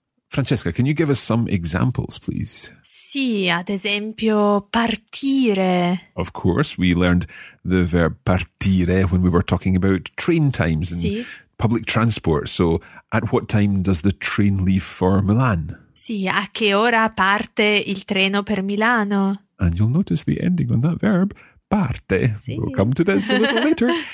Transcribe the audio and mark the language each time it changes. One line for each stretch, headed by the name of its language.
English: Francesca, can you give us some examples, please?
Italian: Sì, ad esempio, partire.
English: Of course, we learned the verb partire when we were talking about train times and public transport. So, at what time does the train leave for Milan?
Italian: Sì, a che ora parte il treno per Milano?
English: And you'll notice the ending on that verb, parte.
Italian: Sì.
English: We'll come to this a little later.